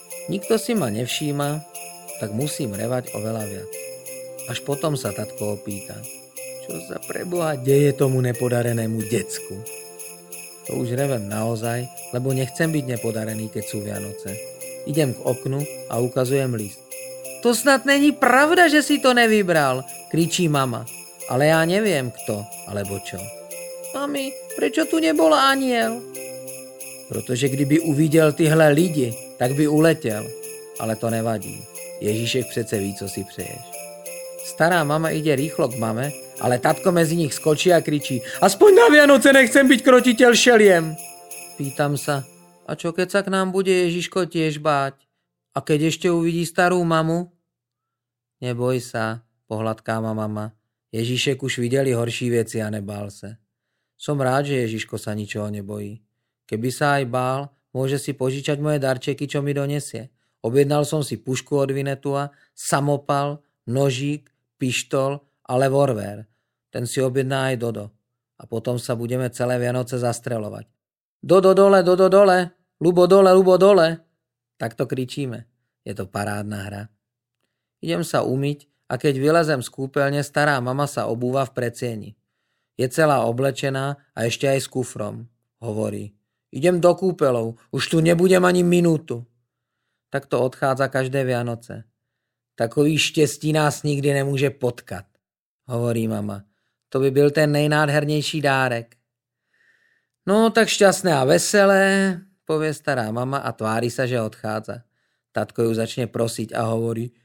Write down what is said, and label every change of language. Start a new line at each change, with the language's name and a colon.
Slovak: Nikto si ma nevšíma, tak musím revať oveľa viac. Až potom sa tatko opýta, čo sa preboha deje tomu nepodarenému decku. To už revem naozaj, lebo nechcem byť nepodarený, keď sú Vianoce. Idem k oknu a ukazujem list.
Czech: To snad není pravda, že si to nevybral,
Slovak: kričí mama. Ale ja neviem kto, alebo čo. Mami, prečo tu nebol aniel?
Czech: Protože kdyby uvidel tyhle lidi, tak by uletel. Ale to nevadí. Ježíšek přece ví, co si přeješ.
Slovak: Stará mama ide rýchlo k mame, ale tatko mezi nich skočí a kričí. Aspoň na Vianoce nechcem byť krotiteľ šeliem. Pýtam sa, a čo keď sa k nám bude Ježiško tiež báť? A keď ešte uvidí starú mamu? Neboj sa, pohladká mama.
Czech: Ježíšek už videli horší veci a nebál sa.
Slovak: Som rád, že Ježiško sa ničoho nebojí. Keby sa aj bál, môže si požičať moje darčeky, čo mi donesie. Objednal som si pušku od Vinetua, samopal, nožík, pištol a revolver. Ten si objedná aj Dodo. A potom sa budeme celé Vianoce zastreľovať. Dodo dole, Dodo dole, Ľubo dole, Ľubo dole. Tak to kričíme. Je to parádna hra. Idem sa umyť a keď vylezem z kúpeľne, stará mama sa obúva v predsieni. Je celá oblečená a ešte aj s kufrom. Hovorí, idem do kúpeľov, už tu nebudem ani minútu. Tak to odchádza každé Vianoce.
Czech: Takový štěstí nás nikdy nemůže potkat,
Slovak: hovorí mama.
Czech: To by byl ten nejnádhernější dárek. No, tak šťastné a veselé, pově stará mama a tváří se, že odchádza.
Slovak: Tatko ju začne prosit a hovorí,